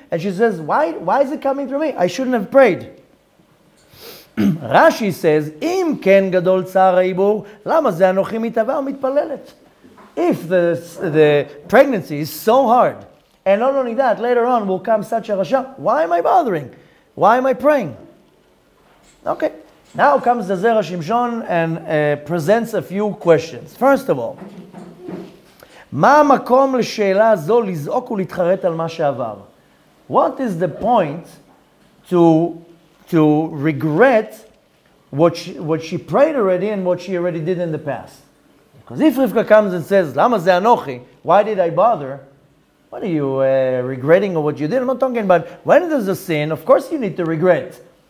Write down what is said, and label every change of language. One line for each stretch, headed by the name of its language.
English: And she says, why is it coming through me? I shouldn't have prayed. Rashi says,
Hebrew: Im ken gadol tzar ibu, lama ze anochi mitava mitpalelet?
English: If the pregnancy is so hard, and not only that, later on will come such a rasha, why am I bothering? Why am I praying? Okay. Now comes the Zera Shimshon and presents a few questions.
Hebrew: First of all, מה המקום לשאלה זו לזעוק ולהתחרט על מה שעבר?
English: What is the point to regret what she prayed already and what she already did in the past? Because if Rivka comes and says,
Hebrew: למה זה אנוכי?
English: Why did I bother? What are you regretting or what you did? I'm not talking about when there's a sin, of course you need to regret.